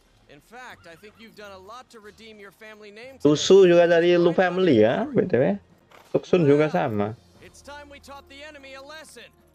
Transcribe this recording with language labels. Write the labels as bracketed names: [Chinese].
[English] In fact, I think you've done a lot to redeem your family name. [Indonesian] Lu Xun juga dari Lu family ya, BTW. Lu Xun juga sama. [English] It's time we taught the enemy a lesson.